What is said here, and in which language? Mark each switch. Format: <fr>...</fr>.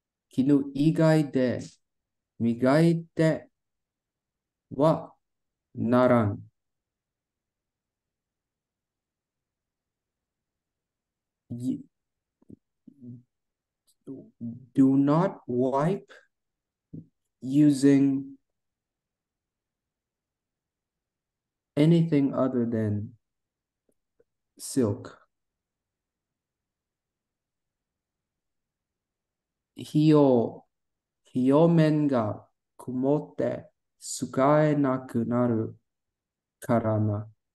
<ja>昨日以外で磨いてはならん。</ja> <en>Do not wipe using anything other than silk.</en> <ja>表面が曇って使えなくなるからな。</ja>